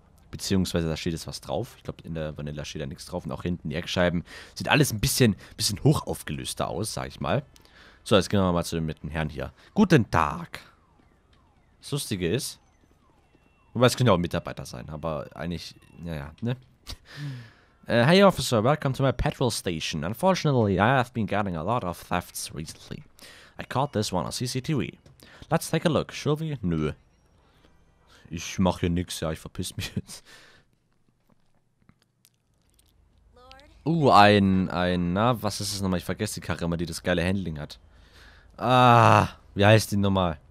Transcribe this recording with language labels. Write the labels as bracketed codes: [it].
[de] Beziehungsweise da steht jetzt was drauf. Ich glaube, in der Vanilla steht da nichts drauf. Und auch hinten die Eckscheiben. Sieht alles ein bisschen hoch aufgelöster aus, sag ich mal. So, jetzt gehen wir mal mit dem Herrn hier. Guten Tag. Das Lustige ist, wobei es könnte auch ein Mitarbeiter sein, aber eigentlich, naja, ne? [en] Hey Officer, welcome to my petrol station. Unfortunately, I have been getting a lot of thefts recently. I caught this one on CCTV. Let's take a look, shall we? [de] Nö. Ich mach hier nix, ja, ich verpiss mich jetzt. Was ist das nochmal? Ich vergesse die Karre immer, die das geile Handling hat. Ah, wie heißt die nochmal?